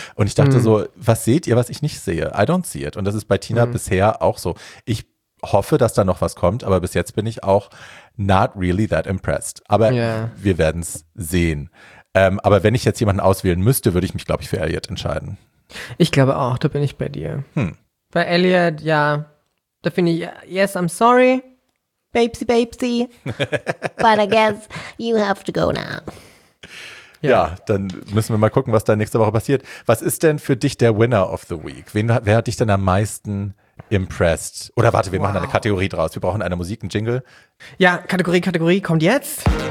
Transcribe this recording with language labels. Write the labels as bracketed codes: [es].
[de] Und ich dachte so, was seht ihr, was ich nicht sehe? [en] I don't see it. [de] Und das ist bei Tina bisher auch so. Ich hoffe, dass da noch was kommt. Aber bis jetzt bin ich auch [en] not really that impressed. [de] Aber wir werden es sehen. Aber wenn ich jetzt jemanden auswählen müsste, würde ich mich, glaube ich, für Elliot entscheiden. Ich glaube auch, da bin ich bei dir. Bei Elliot, ja, da finde ich, [en] yes, I'm sorry, babesy, but I guess you have to go now. [de] Ja, dann müssen wir mal gucken, was da nächste Woche passiert. Was ist denn für dich der [en] Winner of the Week? [de] Wer hat dich denn am meisten impressed? Oder warte, wir machen eine Kategorie draus. Wir brauchen eine Musik, einen Jingle. Ja, Kategorie kommt jetzt.